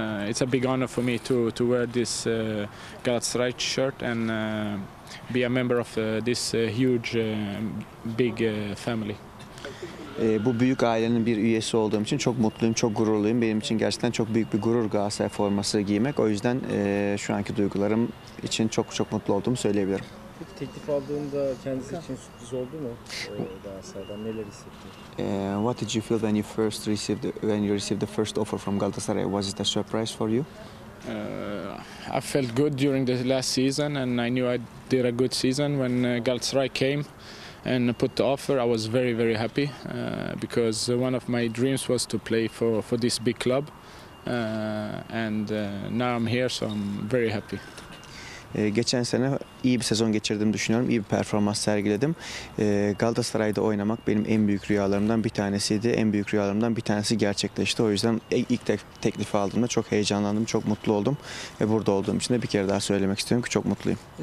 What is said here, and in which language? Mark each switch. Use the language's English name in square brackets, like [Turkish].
[English] It's a big honor for me to wear this Galatasaray shirt and be a member of this huge big family. [Turkish] Bu büyük ailenin bir üyesi olduğum için çok mutluyum, çok gururluyum. Benim için gerçekten çok büyük bir gurur Galatasaray forması giymek. O yüzden şu anki duygularım için çok çok mutlu olduğumu söyleyebilirim. Peki teklif aldığında kendisi için sürpriz oldu mu Galatasaray'dan? Neler hissettin? [English] What did you feel when you first received the first offer from Galatasaray? Was it a surprise for you? I felt good during the last season and I knew I did a good season when Galatasaray came and put the offer. I was very very happy because one of my dreams was to play for this big club and now I'm here, so I'm very happy. [Turkish] Geçen sene iyi bir sezon geçirdim düşünüyorum, iyi bir performans sergiledim. Galatasaray'da oynamak benim en büyük rüyalarımdan bir tanesiydi, en büyük rüyalarımdan bir tanesi gerçekleşti. O yüzden ilk teklifi aldığımda çok heyecanlandım, çok mutlu oldum ve burada olduğum için de bir kere daha söylemek istiyorum ki çok mutluyum.